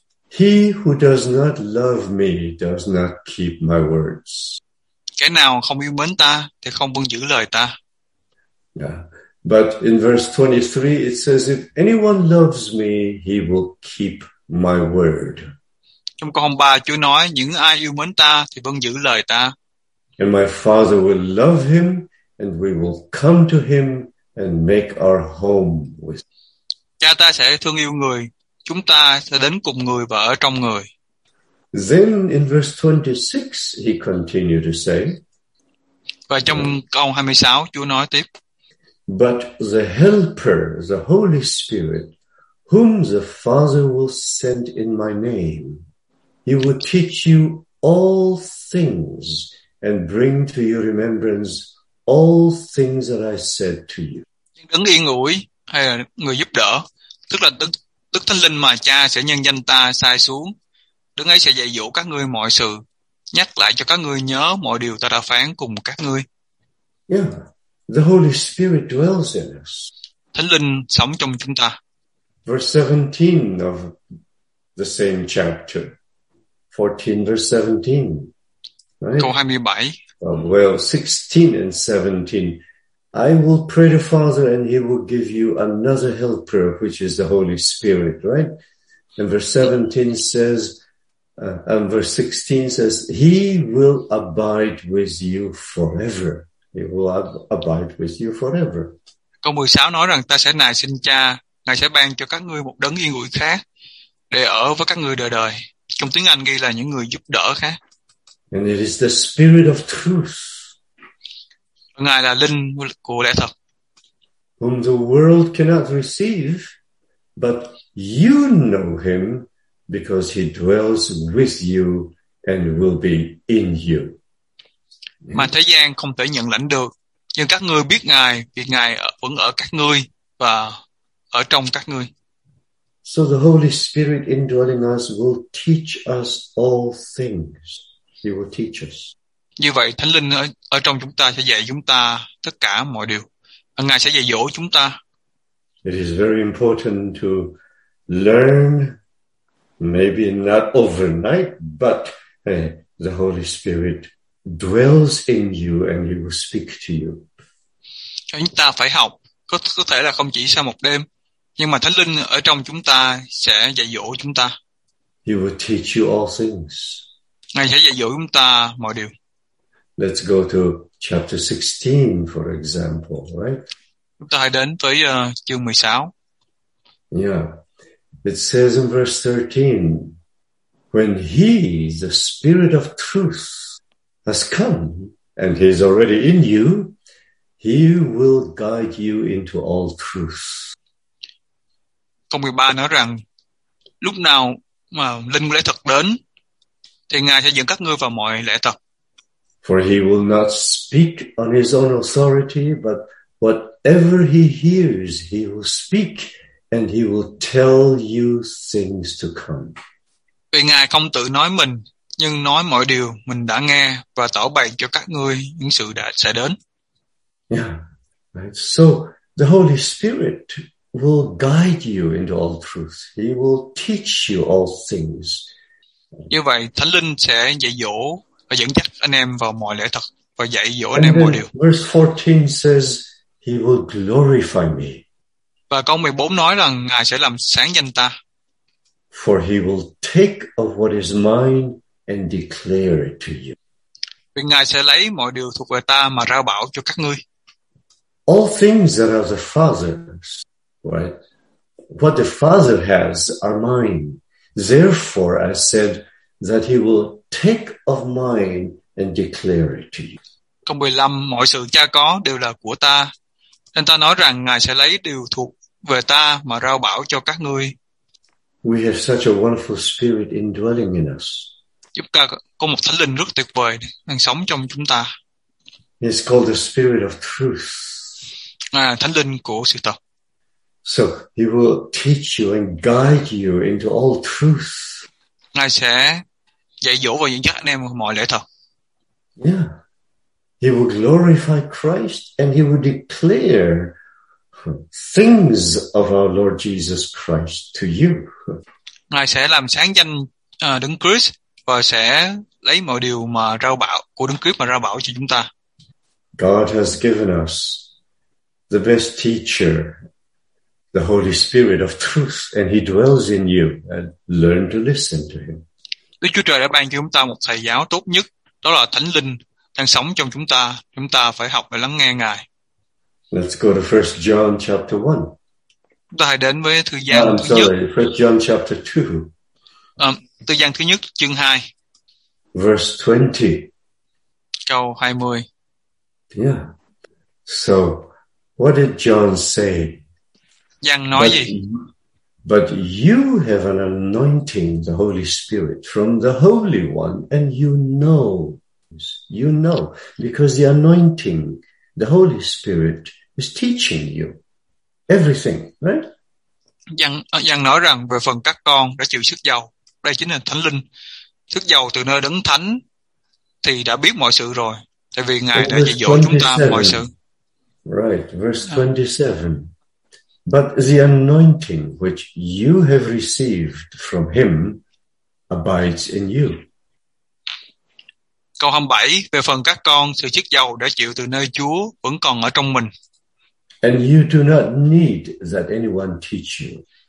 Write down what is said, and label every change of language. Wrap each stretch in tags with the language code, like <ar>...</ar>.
<en>He who does not love me does not keep my words.</en> <vi>Kẻ nào không yêu mến ta thì không vâng giữ lời ta.</vi> <en>Yeah. But in verse 23 it says if anyone loves me he will keep my word.</en> <vi>Trong câu 23 Chúa nói những ai yêu mến ta thì vâng giữ lời ta.</vi> <en>And my Father will love him and we will come to him and make our home with him.</en> <vi>Cha ta sẽ thương yêu người. Chúng ta sẽ đến cùng người và ở trong người.</vi> <en>Then in verse 26 he continued to say.</en> <vi>Và trong câu 26 Chúa nói tiếp.</vi> <en>But the helper, the Holy Spirit, whom the Father will send in my name, he will teach you all things and bring to your remembrance all things that I said to you.</en> <vi>Đấng yên ủi hay là người giúp đỡ, tức là Đức Thánh Linh mà Cha sẽ nhân danh ta sai xuống, Đấng ấy sẽ dạy dỗ các ngươi mọi sự, nhắc lại cho các ngươi nhớ mọi điều ta đã phán cùng các ngươi.</vi> <en>Yeah, the Holy Spirit dwells in us.</en> <vi>Thánh Linh sống trong chúng ta.</vi> <en>Verse 17 of the same chapter. 14 verse 17. Right?</en> <vi>Câu 27.</vi> <en>Well, 16 and 17. I will pray the Father and he will give you another helper, which is the Holy Spirit, right? And verse 17 says, and verse 16 says, he will abide with you forever. He will abide with you forever.</en> <vi>Câu 16 nói rằng ta sẽ nài xin cha, ngài sẽ ban cho các ngươi một đấng yên ủi khác để ở với các ngươi đời đời. Trong tiếng Anh ghi là những người giúp đỡ khác.</vi> <en>And it is the Spirit of truth.</en> <vi>Ngài là linh của lẽ thật.</vi> <en>Whom the world cannot receive, but you know him because he dwells with you and will be in you.</en> <vi>Mà thế gian không thể nhận lãnh được, nhưng các ngươi biết Ngài vì Ngài vẫn ở các ngươi và ở trong các ngươi.</vi> <en>So the Holy Spirit indwelling us will teach us all things. He will teach us.</en> <vi>Như vậy Thánh Linh ở trong chúng ta sẽ dạy chúng ta tất cả mọi điều. Ngài sẽ dạy dỗ chúng ta.</vi> <en>It is very important to learn, maybe not overnight, but the Holy Spirit dwells in you and he will speak to you.</en> <vi>Chúng ta phải học, có thể là không chỉ sau một đêm, nhưng mà Thánh Linh ở trong chúng ta sẽ dạy dỗ chúng ta.</vi> <en>He will teach you all things.</en> <vi>Ngài sẽ dạy dỗ chúng ta mọi điều.</vi> <en>Let's go to chapter 16, for example, right?</en> <vi>Chúng ta hãy đến với chương 16.</vi> <en>Yeah. It says in verse 13, when he, the Spirit of truth, has come, and he is already in you, he will guide you into all truth.</en> <vi>Câu 13 nói rằng, lúc nào mà linh lẽ thật đến, thì Ngài sẽ dẫn các ngươi vào mọi lẽ thật.</vi> <en>For he will not speak on his own authority, but whatever he hears, he will speak, and he will tell you things to come.</en> <vi>Vì Ngài không tự nói mình, nhưng nói mọi điều mình đã nghe và tỏ bày cho các ngươi những sự đã sẽ đến.</vi> <en>Yeah. Right. So the Holy Spirit will guide you into all truth. He will teach you all things.</en> <vi>Như vậy Thánh Linh sẽ dạy dỗ và dẫn dắt anh em vào mọi lẽ thật và dạy dỗ anh em mọi điều.</vi> <en>Verse 14 says he will glorify me.</en> <vi>Và câu 14 nói rằng Ngài sẽ làm sáng danh ta.</vi> <en>For he will take of what is mine and declare it to you.</en> <vi>Vì Ngài sẽ lấy mọi điều thuộc về ta mà rao bảo cho các ngươi.</vi> <en>All things that are the Father's, right? What the Father has are mine. Therefore, I said that he will take of mine and declare it to you.</en> <vi>Câu 15, mọi sự cha có đều là của ta. Nên ta nói rằng Ngài sẽ lấy điều thuộc về ta mà rao bảo cho các ngươi.</vi> <en>We have such a wonderful spirit indwelling in us.</en> <vi>Chúng ta có một Thánh Linh rất tuyệt vời đang sống trong chúng ta.</vi> <en>It's called the spirit of truth.</en> <vi>À, Thánh Linh của sự thật.</vi> <en>So he will teach you and guide you into all truth.</en> <vi>Ngài sẽ dạy dỗ và dẫn dắt anh em mọi lẽ thật.</vi> <en>Yeah. He will glorify Christ and he will declare things of our Lord Jesus Christ to you.</en> <vi>Ngài sẽ làm sáng danh Đấng Christ và sẽ lấy mọi điều mà rao bảo của Đấng Christ mà rao bảo cho chúng ta.</vi> <en>God has given us the best teacher, the Holy Spirit of truth, and he dwells in you, and learn to listen to him.</en> <vi>Đức Chúa Trời đã ban cho chúng ta một thầy giáo tốt nhất, đó là Thánh Linh đang sống trong chúng ta. Chúng ta phải học để lắng nghe Ngài.</vi> <en>Let's go to 1 John chapter 1.</en> <vi>Chúng ta hãy đến với thư Giăng thứ nhất.</vi> <en>I'm sorry, 1 John chapter 2.</en> <vi>Thư Giăng thứ nhất, chương 2.</vi> <en>Verse 20.</en> <vi>Câu 20.</vi> <en>Yeah. So, what did John say?</en> <vi>Giăng nói gì?</vi> <en>But you have an anointing, the Holy Spirit, from the Holy One, and you know. You know, because the anointing, the Holy Spirit is teaching you everything, right?</en> <vi>Giăng nói rằng về phần các con đã chịu sức dầu, đây chính là Thánh Linh, sức dầu từ nơi Đấng Thánh thì đã biết mọi sự rồi, tại vì Ngài đã dạy dỗ chúng ta mọi sự.</vi> <en>Right, verse 27. But the anointing which you have received from him abides in you.</en> <vi>Câu 27, về phần các con, sự chức dầu đã chịu từ nơi Chúa vẫn còn ở trong mình.</vi> <en>And you do not need that anyone teach you.</en>